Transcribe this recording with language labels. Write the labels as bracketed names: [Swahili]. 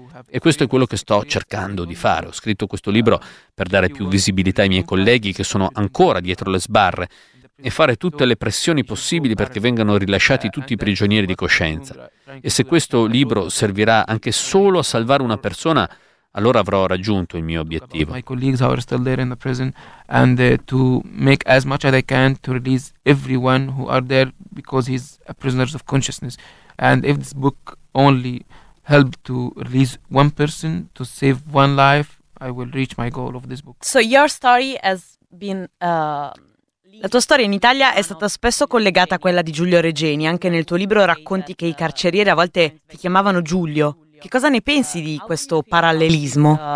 [Italian] E questo è quello che sto cercando di fare. Ho scritto questo libro per dare più visibilità ai miei colleghi che sono ancora dietro le sbarre e fare tutte le pressioni possibili perché vengano rilasciati tutti i prigionieri di coscienza. E se questo libro servirà anche solo a salvare una persona, allora avrò raggiunto il mio obiettivo. [English] My colleagues are still there in the prison, and to make as much as I can to release everyone who are there because he's a prisoner of consciousness. And if this book only helped to release one person to save one life, I will reach my goal of this book. So your story has been [Italian] La tua storia in Italia è stata spesso collegata a quella di Giulio Regeni. Anche nel tuo libro racconti che i carcerieri a volte ti chiamavano Giulio. Che cosa ne pensi di questo parallelismo?